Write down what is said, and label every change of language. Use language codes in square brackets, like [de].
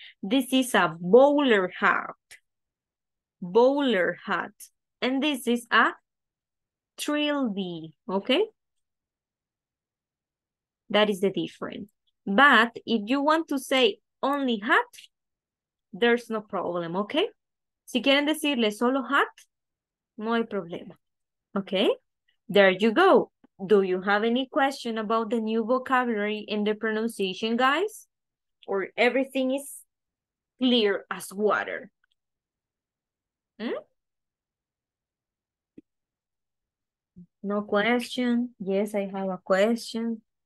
[en] This is a bowler hat. Bowler hat. And this is a trilby, okay? That is the difference. But if you want to say only hat, there's no problem, okay? [es] Si quieren decirle solo hat, no hay problema. [en] Okay, there you go. Do you have any question about the new vocabulary and the pronunciation, guys? Or everything is clear as water? No question. Yes, I have a question.